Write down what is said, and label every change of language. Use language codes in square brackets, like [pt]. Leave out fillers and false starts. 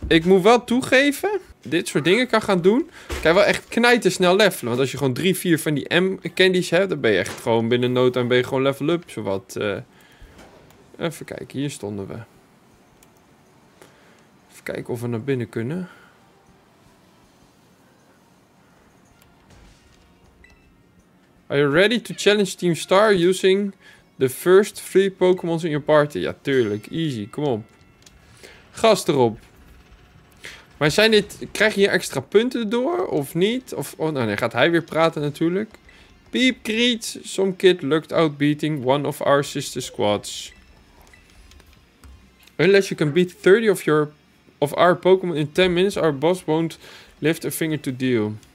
[nl] Ik moet wel toegeven. Dit soort dingen kan gaan doen. Kan je wel echt knijtersnel levelen. Want als je gewoon 3-4 van die M-candies hebt. Dan ben je echt gewoon binnen no time. Ben je gewoon level up. Zowat. Even kijken. Hier stonden we. Kijken of we naar binnen kunnen. [en] Are you ready to challenge Team Star using the first 3 Pokémon in your party? [nl] Ja, tuurlijk. Easy, kom op. Gas erop. Maar zijn dit, krijg je hier extra punten door of niet? Of, oh nee, nou, gaat hij weer praten natuurlijk. Piep, kriet. [en] Some kid lucked out beating one of our sister squads. Unless you can beat 30 of your... Of our Pokémon in 10 minutes, our boss won't lift a finger to deal.